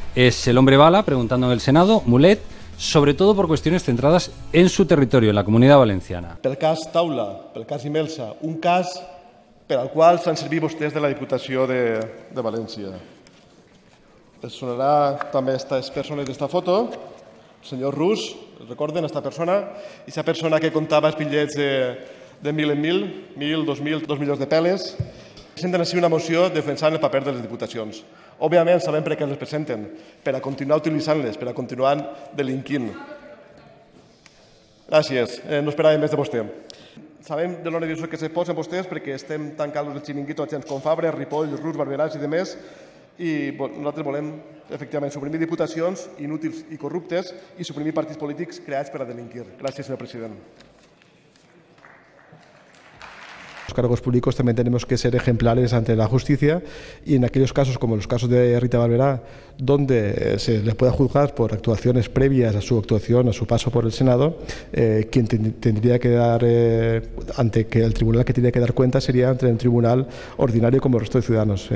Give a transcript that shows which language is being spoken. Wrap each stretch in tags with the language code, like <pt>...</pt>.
<es>Es el hombre bala preguntando en el Senado, Mulet, sobre todo por cuestiones centradas en su territorio, en la Comunidad Valenciana.</es> <ca>Pel cas Taula, pel cas Imelsa, un cas per al qual s'han servit vostès de la Diputació de València. Es sonarà també a aquestes persones d'esta foto, el senyor Rus, recorden, aquesta persona, i aquesta persona que comptava els bitllets de mil en mil, mil, dos mil, dos milions de peles, presenten així una moció defensant el paper de les Diputacions. Òbviament, sabem per què les presenten, per a continuar utilitzant-les, per a continuar delinquint. Gràcies, no esperàvem més de vostè. Sabem de lo nerviosos que se posen vostès perquè estem tancant els xiringuitos a gens com Fabre, Ripoll, Rus, Barberà i demés, i nosaltres volem efectivament suprimir diputacions inútils i corruptes i suprimir partits polítics creats per a delinquir. Gràcies, senyor president.</ca> <es>Los cargos públicos también tenemos que ser ejemplares ante la justicia y en aquellos casos como los casos de Rita Barberá donde se le pueda juzgar por actuaciones previas a su actuación, a su paso por el Senado, quien tendría que dar ante que el tribunal que tiene que dar cuenta sería ante el tribunal ordinario como el resto de ciudadanos.</es>